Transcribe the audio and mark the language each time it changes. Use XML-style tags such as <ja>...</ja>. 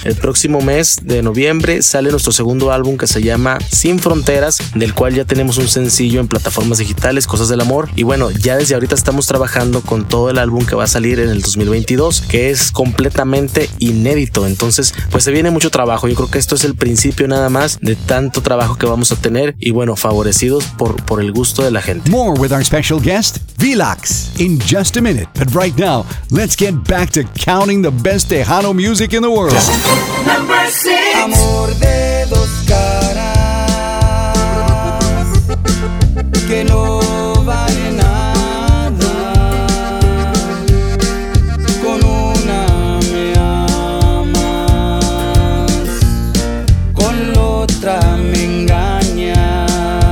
<es>El próximo mes de noviembre sale nuestro segundo álbum que se llama Sin Fronteras, del cual ya tenemos un sencillo en plataformas digitales, Cosas del Amor. Y bueno, ya desde ahorita estamos trabajando con todo el álbum que va a salir en el 2022, que es completamente inédito. Entonces, pues se viene mucho trabajo. Yo creo que esto es el principio nada más de tanto trabajo que vamos a tener. Y bueno, favorecidos por el gusto de la gente.</es> <en>More with our special guest, Vilax, in just a minute. But right now, let's get back to counting the best Tejano music in the world. Number 6.</en> <es>Amor de dos caras, que no vale nada, con una me amas, con la otra me engañas.</es>